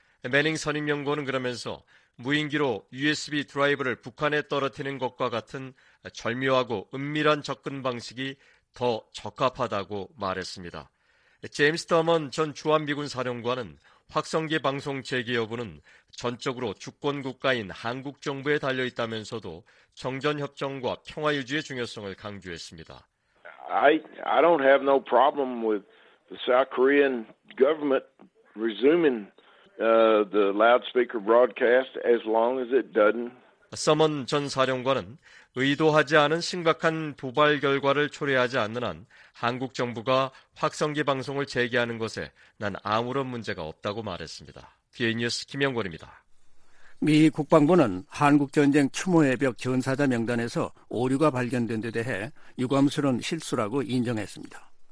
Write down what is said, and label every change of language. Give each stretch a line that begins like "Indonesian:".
Korean: 매닝 선임연구원은 그러면서 무인기로 USB 드라이브를 북한에 떨어뜨리는 것과 같은 절묘하고 은밀한 접근 방식이 더 적합하다고 말했습니다. 제임스 더먼 전 주한미군 사령관은 확성기 방송 재개 여부는 전적으로 주권국가인 한국 정부에 달려있다면서도 정전협정과 평화유지의 중요성을 강조했습니다.
English: I don't have no problem with the South Korean government resuming the loudspeaker broadcast as long as it doesn't.
Korean: 서먼 전 사령관은 의도하지 않은 심각한 도발 결과를 초래하지 않는 한 한국 정부가 확성기 방송을 재개하는 것에 난 아무런 문제가 없다고 말했습니다. BN 뉴스 김영권입니다. 미 국방부는 한국전쟁 추모예벽 전사자 명단에서 오류가 발견된 데 대해 유감스러운 실수라고 인정했습니다.